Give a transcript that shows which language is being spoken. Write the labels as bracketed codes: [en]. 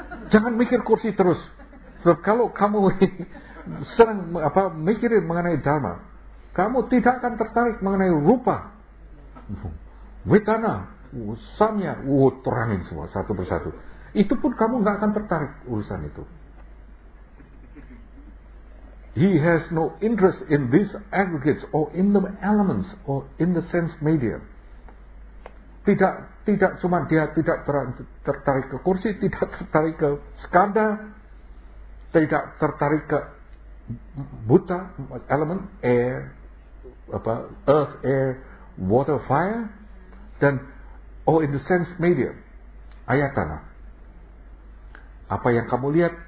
[id] Jangan mikir kursi terus, sebab kalau kamu sering apa mikirin mengenai dharma, kamu tidak akan tertarik mengenai rupa, vedana, samya, terangin semua satu persatu. Itu pun kamu enggak akan tertarik urusan itu. [en] He has no interest in these aggregates or in the elements or in the sense media. [id] Tidak cuma dia tidak tertarik ke kursi, tidak tertarik ke skanda, tidak tertarik ke buta, elemen air, apa, [en] earth, air, water, fire, [id] dan [en] oh in the sense media, [id] ayat tanah. Apa yang kamu lihat,